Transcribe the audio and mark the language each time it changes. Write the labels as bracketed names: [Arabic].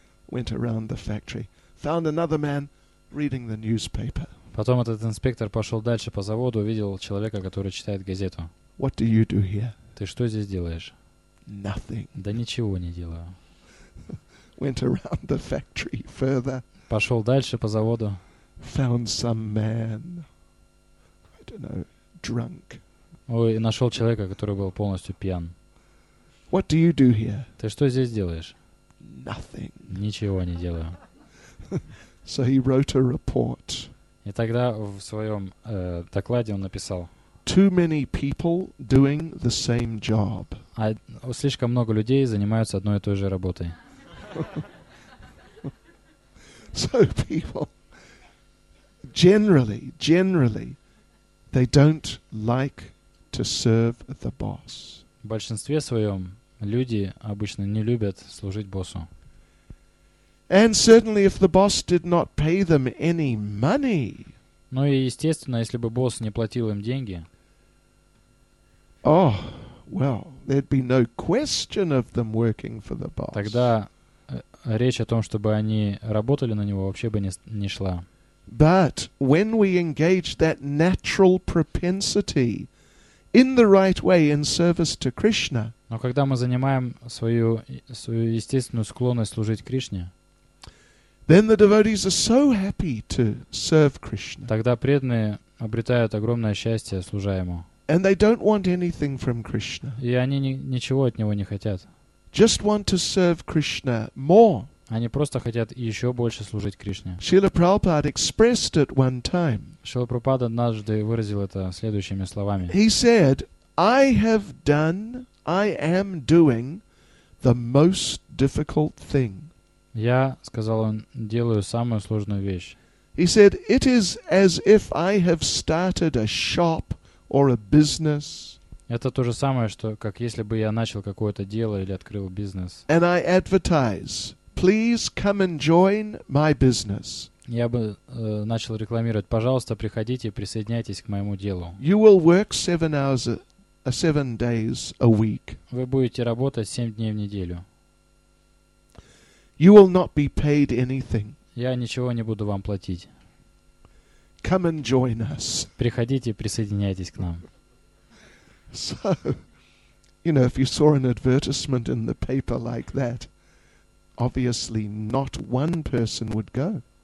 [English] Went around the factory, found another man reading the newspaper. [Russian] Потом этот инспектор пошел дальше по заводу, увидел человека, который читает газету. [English] What do you do here? [Russian] Ты что здесь делаешь? [English] Nothing. [Russian] Да ничего не делаю. [English] Went around the factory further. [Russian] Пошел дальше по заводу. [English] Found some man. I don't know, drunk. [Russian] Ой, нашел человека, который был полностью пьян. [English] What do you do here? [Russian] Ты что здесь делаешь? [English] Nothing. [Russian] Ничего не делаю. [English] So he wrote a report. [Russian] И тогда в своем докладе он написал. [English] Too many people doing the same job. [Russian] А слишком много людей занимаются одной и той же работой. [English] So people generally they don't like to serve the boss. [Russian] В большинстве своем люди обычно не любят служить боссу. [English] And certainly if the boss did not pay them any money. [Russian] Ну и естественно, если бы босс не платил им деньги. [English] Oh, well, there'd be no question of them working for the boss. [Russian] Тогда речь о том, чтобы они работали на него, вообще бы не шла. [English] But when we engage that natural propensity in the right way in service to Krishna. [Russian] Но когда мы занимаем свою естественную склонность служить Кришне, [English] then the devotees are so happy to serve Krishna. [Russian] Тогда преданные обретают огромное счастье, служа ему. [English] And they don't want anything from Krishna. [Russian] И они ничего от него не хотят. [English] Just want to serve Krishna more. [Russian] Они просто хотят еще больше служить Кришне. [English] Srila Prabhupada expressed it one time. [Russian] Шрила Прабхупада однажды выразил это следующими словами. [English] He said, "I have done, I am doing the most difficult thing." [Russian] Я, сказал он, делаю самую сложную вещь. [English] He said, "It is as if I have started a shop or a business." [Russian] Это то же самое, что как если бы я начал какое-то дело или открыл бизнес. [English] And I advertise, "Please come and join my business." [Russian] Я бы начал рекламировать: "Пожалуйста, приходите, присоединяйтесь к моему делу." [English] You will work 7 hours, 7 days a week. [Russian] Вы будете работать 7 дней в неделю. [English] You will not be paid anything. [Russian] Я ничего не буду вам платить. [English] Come and join us. [Russian] Приходите, присоединяйтесь к нам. [English] So, you know, if you saw an advertisement in the paper like that, obviously not one person would go.